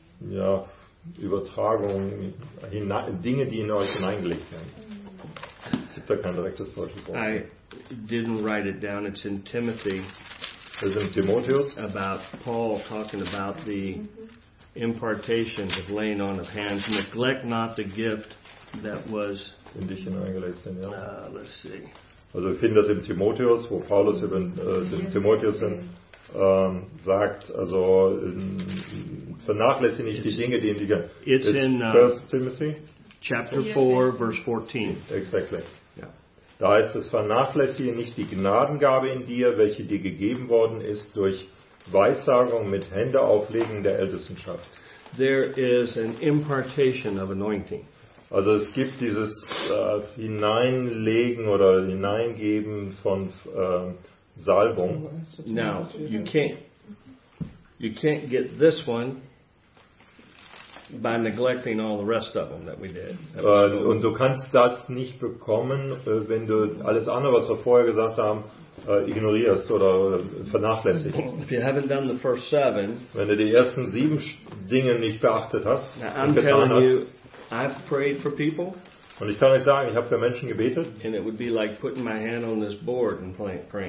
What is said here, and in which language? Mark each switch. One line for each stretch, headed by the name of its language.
German: Ja, Übertragung, Dinge, die in euch hineingelegt werden. Es gibt da kein direktes deutsches Wort.
English: I didn't write it down. It's in Timothy.
German: Also in Timotheus.
English: About Paul talking about the impartation of laying on of hands. Neglect not the gift that was
German: in dich hineingelegt sind, ja.
English: Let's see.
German: Also wir finden das in Timotheus, wo Paulus über den Timotheus in sagt, also vernachlässige nicht die Dinge, die in dir.
English: It's in 1 Timothy chapter 4, verse 14. Exactly.
German: Da heißt es, vernachlässige nicht die Gnadengabe in dir, welche dir gegeben worden ist durch Weissagung mit Händeauflegen der Ältestenschaft.
English: There is an impartation of anointing.
German: Also es gibt dieses Hineinlegen oder Hineingeben von Salbung.
English: Now, you can't get this one by neglecting all the rest of them that we did.
German: Und du kannst das nicht bekommen, wenn du alles andere, was wir vorher gesagt haben, ignorierst oder vernachlässigst.
English: If you haven't done the first seven,
German: wenn du die ersten sieben Dinge nicht beachtet hast,
English: I've prayed for people.
German: Und ich kann euch sagen, ich habe für Menschen gebetet.
English: And it would be like putting my hand on this board and praying.